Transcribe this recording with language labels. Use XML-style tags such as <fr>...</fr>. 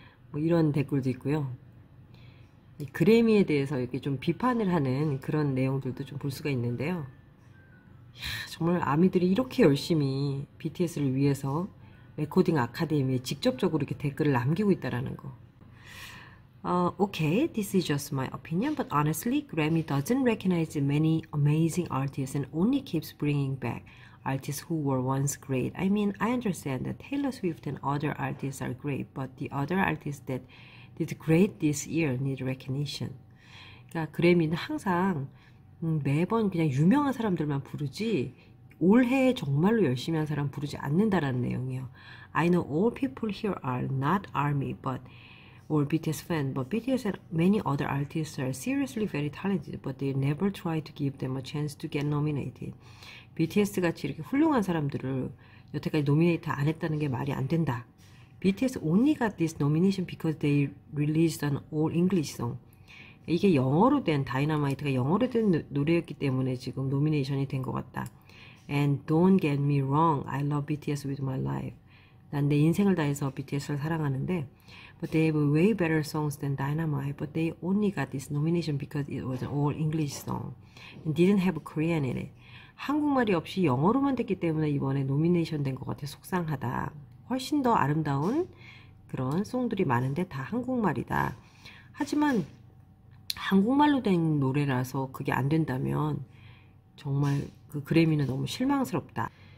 <ko>뭐 이런 댓글도 있고요. 이 그래미에 대해서 이렇게 좀 비판을 하는 그런 내용들도 좀볼 수가 있는데요. 정말 아미들이 이렇게 열심히 BTS를 위해서 레코딩 아카데미에 직접적으로 이렇게 댓글을 남기고 있다라는 거.</ko> <en>Okay, this is just my opinion, but honestly, Grammy doesn't recognize many amazing artists and only keeps bringing back artists who were once great. I mean, I understand that Taylor Swift and other artists are great, but the other artists that did great this year need recognition.</en> <ko>그러니까 그래미는 항상 매번 그냥 유명한 사람들만 부르지, 올해 정말로 열심히 한 사람 부르지 않는다라는 내용이에요.</ko> <en>I know all people here are not ARMY, but or BTS fan, but BTS and many other artists are seriously very talented, but they never try to give them a chance to get nominated.</en> <ko>BTS 같이 이렇게 훌륭한 사람들을 여태까지 노미네이트 안 했다는 게 말이 안 된다.</ko> <en>BTS only got this nomination because they released an all English song.</en> <ko>이게 영어로 된 다이너마이트가 영어로 된 노래였기 때문에 지금 노미네이션이 된것 같다.</ko> <en>And don't get me wrong, I love BTS with my life.</en> <ko>난내 인생을 다해서 BTS를 사랑하는데.</ko> <en>But they have way better songs than Dynamite, but they only got this nomination because it was an all English song and didn't have a Korean in it.</en> <ko>한국말이 없이 영어로만 됐기 때문에 이번에 노미네이션 된것 같아 속상하다. 훨씬 더 아름다운 그런 송들이 많은데 다 한국말이다. 하지만 한국말로 된 노래라서 그게 안 된다면 정말 그 그래미는 너무 실망스럽다.</ko>